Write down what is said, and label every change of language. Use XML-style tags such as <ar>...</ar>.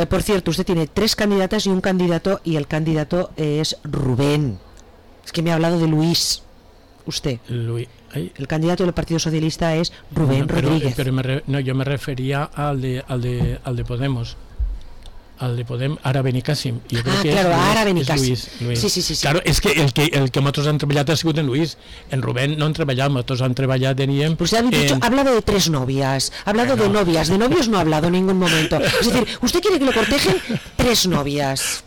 <es>Por cierto, usted tiene tres candidatas y un candidato, y el candidato es Rubén. Es que me ha hablado de Luis, usted. El candidato del Partido Socialista es Rubén Rodríguez. Yo me refería al de Podemos. Al de Podemos, Ara Benicàssim. Ara Benicàssim. Sí.</es> <ca>Claro, és que el que nosaltres han treballat ha sigut en Lluís. En Rubén no han treballat, nosaltres han treballat, teníem...</ca> <es>Pues ha hablado de tres novias. Ha hablado de novias. De novios no ha hablado en ningún momento. Es decir, usted quiere que lo cortejen tres novias.</es>